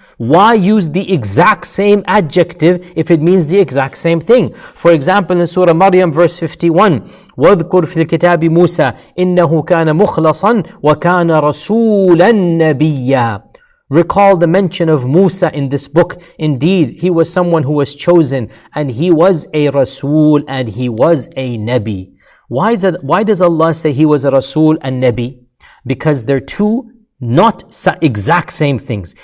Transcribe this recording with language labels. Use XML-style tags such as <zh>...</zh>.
<en>Why use the exact same adjective if it means the exact same thing? For example, in Surah Maryam, verse 51,</en> <ar>وَذْكُرْ فِي الْكِتَابِ مُوسَى إِنَّهُ كَانَ مُخْلَصًا وَكَانَ رَسُولًا نَبِيًّا.</ar> <en>Recall the mention of Musa in this book. Indeed, he was someone who was chosen, and he was a Rasul, and he was a Nabi. Why is that? Why does Allah say he was a Rasul and Nabi? Because they're two not exact same things.</en>